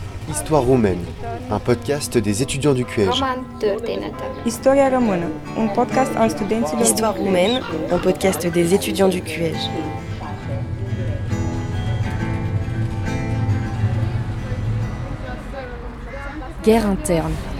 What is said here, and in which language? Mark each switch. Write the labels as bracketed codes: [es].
[fr] Histoire roumaine, un podcast des étudiants du QEJ. [ro] Historia română, un podcast al studenților. [fr] Histoire roumaine, un podcast des étudiants du QEJ. Guerre interne.